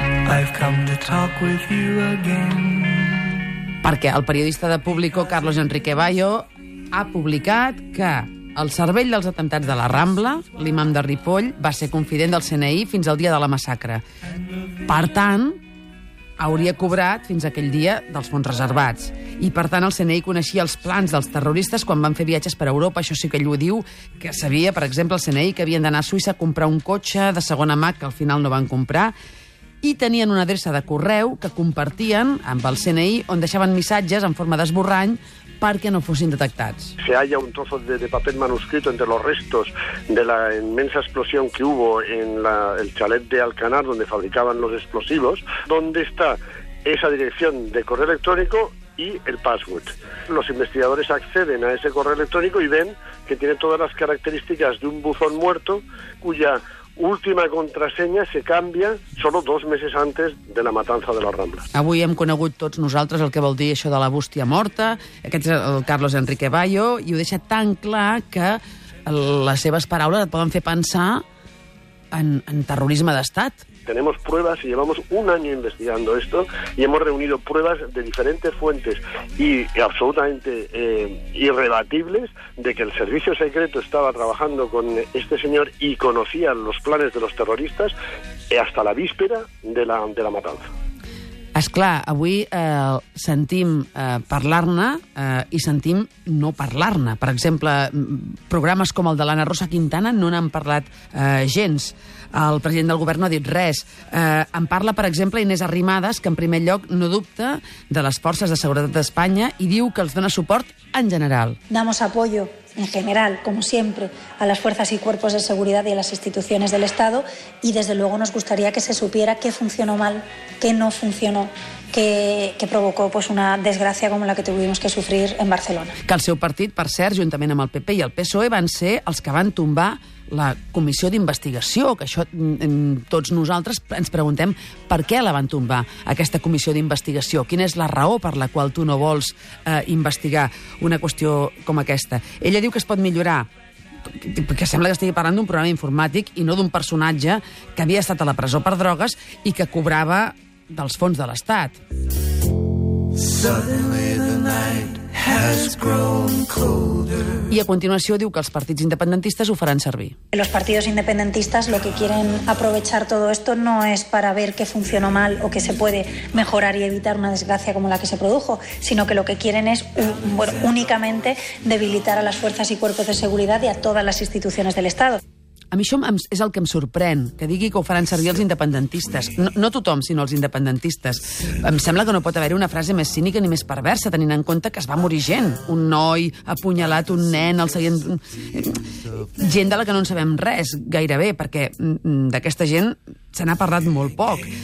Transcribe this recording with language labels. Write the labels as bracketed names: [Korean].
[English] I've come to talk with you again. [Catalan] Perquè el periodista de Público, Carlos Enrique Bayo, ha publicat que el cervell dels atemptats de la Rambla, l'imam de Ripoll, va ser confident del CNI fins al dia de la massacre. Per tant, hauria cobrat fins aquell dia dels fons reservats. I, per tant, el CNI coneixia els plans dels terroristes quan van fer viatges per Europa, això sí que ell ho diu, que sabia, per exemple, el CNI que havien d'anar a Suïssa a comprar un cotxe de segona mà que al final no van comprar, i tenien una adreça de correu que compartien amb el CNI on deixaven missatges en forma d'esborrany perquè no fossin detectats. [Spanish] Se halla un trozo de papel manuscrito entre los restos de la inmensa explosión que hubo en el chalet de Alcanar donde fabricaban los explosivos, donde está esa dirección de correo electrónico y el password. Los investigadores acceden a ese correo electrónico y ven que tiene todas las características de un buzón muerto cuya última contraseña se cambia solo 2 meses antes de la matanza de la Rambla. [Catalan] Avui hem conegut tots nosaltres el que vol dir això de la bústia morta. Aquest és el Carlos Enrique Bayo i ho deixa tan clar que les seves paraules et poden fer pensar en terrorisme d'estat. [Spanish] Tenemos pruebas y llevamos un año investigando esto y hemos reunido pruebas de diferentes fuentes y absolutamente irrebatibles de que el servicio secreto estaba trabajando con este señor y conocía los planes de los terroristas hasta la víspera de la matanza. [Catalan] És clar, avui sentim parlar-ne i sentim no parlar-ne. Per exemple, programes com el de l'Anna Rosa Quintana no n'han parlat gens. El president del govern no ha dit res. En parla, per exemple, Inés Arrimadas, que en primer lloc no dubta de les forces de seguretat d'Espanya i diu que els dona suport en general. [Spanish] Damos apoyo en general, como siempre, a las fuerzas y cuerpos de seguridad y a las instituciones del Estado y desde luego nos gustaría que se supiera qué funcionó mal, qué no funcionó, que provocó pues una desgracia como la que tuvimos que sufrir en Barcelona. [Catalan] Que el seu partit, per cert, juntament amb el PP i el PSOE, van ser els que van tombar la comissió d'investigació, que això tots nosaltres ens preguntem per què la van tombar, aquesta comissió d'investigació. Quina és la raó per la qual tu no vols investigar una qüestió com aquesta? Ella diu que es pot millorar, que sembla que estigui parlant d'un programa informàtic i no d'un personatge que havia estat a la presó per drogues i que cobrava dels fons de l'Estat. [Spanish] Y a continuación digo que los partidos independentistas lo farán servir. Los partidos independentistas lo que quieren aprovechar todo esto no es para ver qué funcionó mal o qué se puede mejorar y evitar una desgracia como la que se produjo, sino que lo que quieren es únicamente debilitar a las fuerzas y cuerpos de seguridad y a todas las instituciones del Estado. [Catalan] A mi això és el que em sorprèn, que digui que ho faran servir els independentistes. No, no tothom, sinó els independentistes. Em sembla que no pot haver-hi una frase més cínica ni més perversa, tenint en compte que es va morir gent. Un noi apunyalat, un nen, el seient... Gent de la que no en sabem res, gairebé, perquè d'aquesta gent se n'ha parlat molt poc.